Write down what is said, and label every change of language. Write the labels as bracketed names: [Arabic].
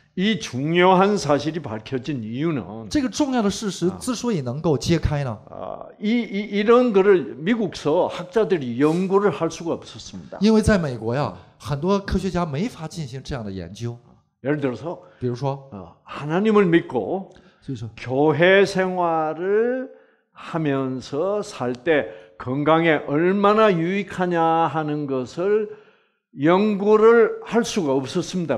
[Korean] 이 중요한 사실이 밝혀진 이유는 [Chinese] 这个重要的事实之所以能够揭开呢？ [Korean] 이런 거를 미국서 학자들이 연구를 할 수가 없었습니다. [Chinese] 因为在美国呀，很多科学家没法进行这样的研究。 [Korean] 예를 들어서, [Chinese] 比如说, [Korean] 하나님을 믿고 [Chinese] 所以说, [Korean] 교회 생활을 하면서 살 때 건강에 얼마나 유익하냐 하는 것을 연구를 할 수가 없었습니다.